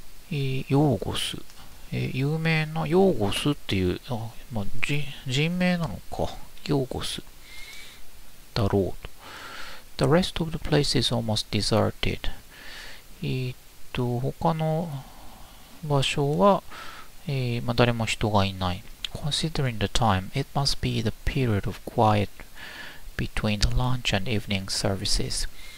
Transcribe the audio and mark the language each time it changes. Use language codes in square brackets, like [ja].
[ja] ヨーゴス。有名なヨーゴスっていう、人名なのか。ヨーゴス。だろうと。 [en] The rest of the place is almost deserted. [ja] 他の場所は、まあ、誰も人がいない。 [en] Considering the time, it must be the period of quiet between the lunch and evening services.